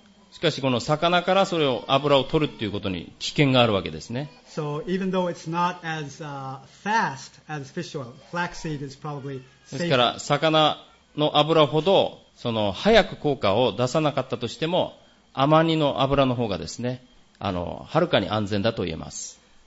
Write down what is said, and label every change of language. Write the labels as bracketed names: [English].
[Japanese] しかしこの魚からそれを油を取るということに危険があるわけですね。 [English] So, even though it's not as, fast as fish oil, flaxseed is probably safe. [Japanese] ですから魚の油ほどその早く効果を出さなかったとしてもアマニの油の方がですね、はるかに安全だと言えます。